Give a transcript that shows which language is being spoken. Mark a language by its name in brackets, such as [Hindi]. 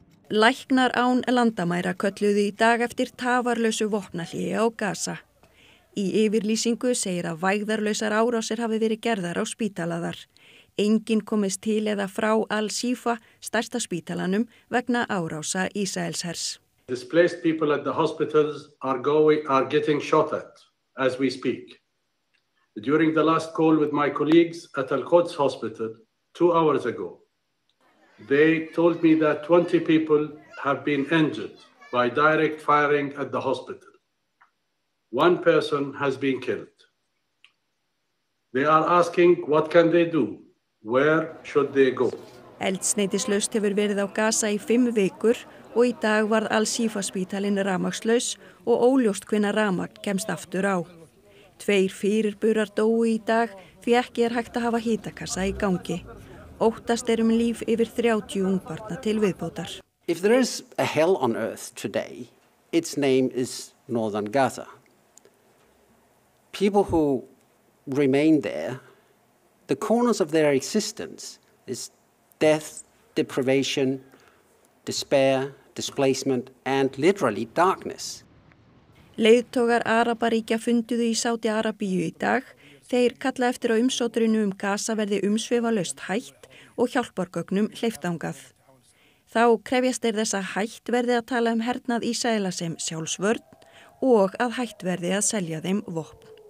[Icelandic] Læknar án landamæra kölluðu í dag eftir tafarlausu vopnahléi á Gaza. Í yfirlýsingu segir að vægðarlausar árásir hafi verið gerðar á spítalaðar. Enginn komist til eða frá Al-Sifa, stærsta spítalanum, vegna árása Ísraelshers. [English] Displaced people at the hospitals are getting shot at as we speak. During the last call with my colleagues at Al-Quds hospital 2 hours ago, they told me that 20 people have been injured by direct firing at the hospital. One person has been killed. They are asking what can they do? Where should they go? [Icelandic] Eldsneytislaust hefur verið á Gaza í 5 vikur og í dag varð Al-Sifa-spítalinn rafmagnslaus og óljóst hvenær rafmagn kemst aftur á. Tveir fyrirburar dóu í dag því ekki hægt að hafa hitakassa í gangi. Óttast líf yfir 30 ungbarna til viðbótar. [English] If there is a hell on earth today, its name is Northern Gaza. People who remain there, the corners of their existence is death, deprivation, despair, displacement and literally darkness. [Icelandic] Leiðtogar Araba-ríkja funduðu í Sádi-Arabíu í dag. Þeir kalla eftir að umsótrinu Gaza verði umsvifalaust hætt og hjálpargögnum hleyftangað. Þá krefjast þeir þess að hætt verði að tala hernað Ísraela sem sjálfsvörn og að hætt verði að selja þeim vopn.